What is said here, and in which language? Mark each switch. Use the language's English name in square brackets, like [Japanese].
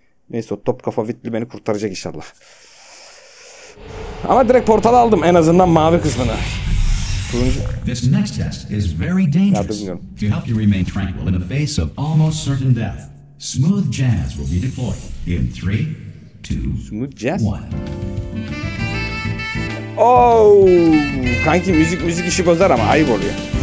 [Turkish] Neyse, o top kafa vitli beni kurtaracak inşallah. Ama direkt portalı aldım, en azından mavi kısmını. [English] This next test is very dangerous. To help you remain tranquil in the face of almost certain death, smooth jazz will be deployed in 3, 2, 1. [Turkish] Oh, kanki müzik işi bozar ama ayıp oluyor.